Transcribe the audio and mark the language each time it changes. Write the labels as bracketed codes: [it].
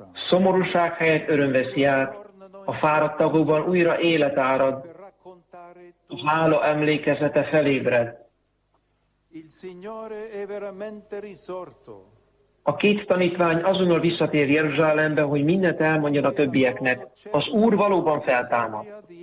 [hu] Szomorúság helyett öröm veszi át, a fáradt tagokban újra élet árad, a hála emlékezete felébred. [it] Il Signore è veramente risorto. [hu] A két tanítvány azonnal visszatér Jeruzsálembe, hogy mindent elmondjon a többieknek. Az Úr valóban feltámad.